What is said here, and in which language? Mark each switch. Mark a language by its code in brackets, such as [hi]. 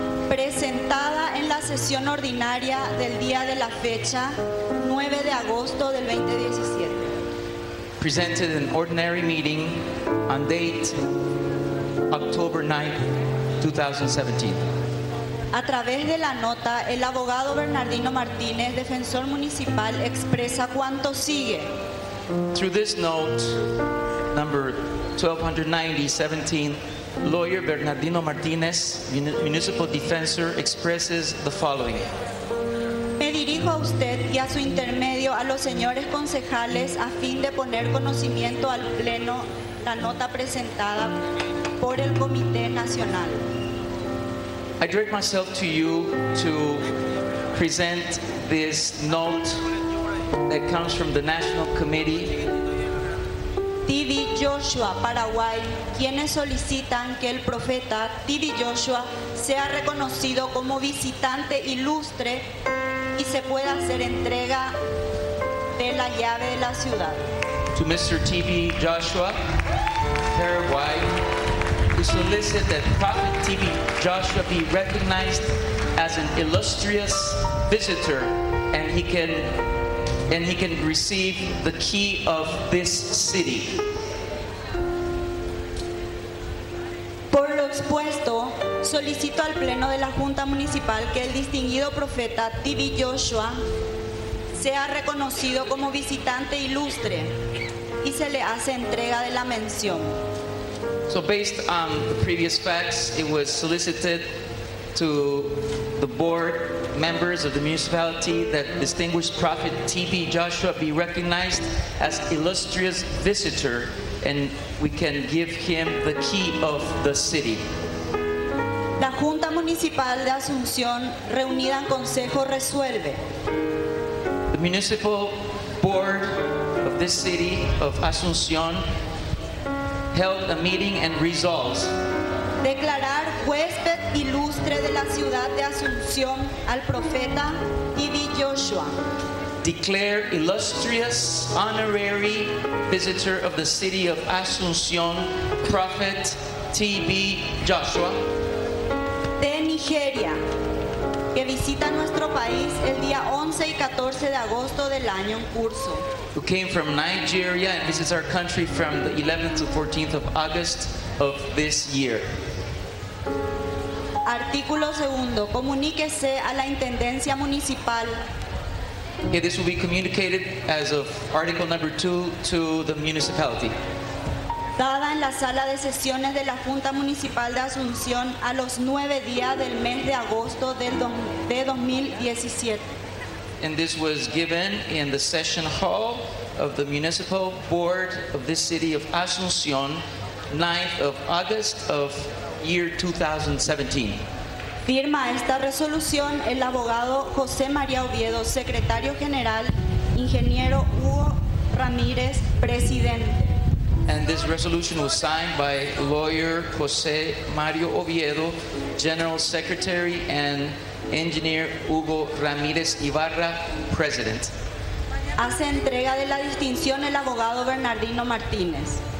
[es] Presentada en la sesión ordinaria del día de la fecha 9 de agosto del 2017. [en] Presented in ordinary meeting on date October 9, 2017. [es] A través de la nota, el abogado Bernardino Martínez, defensor municipal, expresa cuanto sigue. [en] Through this note, number 1290-17, lawyer Bernardino Martínez, municipal defensor, expresses the following. [es] Me dirijo a usted y a su intermedio a los señores concejales a fin de poner conocimiento al pleno la nota presentada por el Comité Nacional. [en] I direct myself to you to present this note that comes from the National Committee. [es] T.D. Joshua, Paraguay, quienes solicitan que el profeta T.D. Joshua sea reconocido como visitante ilustre y se pueda hacer entrega de la llave de la ciudad. [en] To Mr. T.D. Joshua, Paraguay, we solicit that Prophet T.D. Joshua be recognized as an illustrious visitor and he can receive the key of this city. [es] Por lo expuesto, solicito al Pleno de la Junta Municipal que el distinguido profeta T.D. Joshua sea reconocido como visitante ilustre y se le hace entrega de la mención. [en] So based on the previous facts, it was solicited to the board members of the municipality that distinguished Prophet T.D. Joshua be recognized as illustrious visitor and we can give him the key of the city. [es] La Junta Municipal de Asunción reunida en consejo resuelve. [en] The municipal board of this city of Asunción held a meeting and resolved. [es] Declarar huésped ilustre de la ciudad de Asunción al profeta T.D. Joshua. [en] Declare illustrious honorary visitor of the city of Asunción, Prophet T.B. Joshua. [es] De Nigeria, que visita nuestro país el día 11 y 14 de agosto del año en curso. [en] Who came from Nigeria and visits our country from the 11th to 14th of August of this year. [es] Artículo segundo, comuníquese a la Intendencia Municipal. [en] Okay, this will be communicated as of article number 2 to the municipality. [es] Dada en la sala de sesiones de la Junta Municipal de Asunción a los 9 días del mes de agosto de 2017. [en] And this was given in the session hall of the municipal board of this city of Asunción, 9th of August of year 2017. [es] Firma esta resolución el abogado José María Oviedo, secretario general, ingeniero Hugo Ramírez, presidente. [en] And this resolution was signed by lawyer José Mario Oviedo, general secretary, and engineer Hugo Ramírez Ibarra, president. [es] Hace entrega de la distinción el abogado Bernardino Martínez.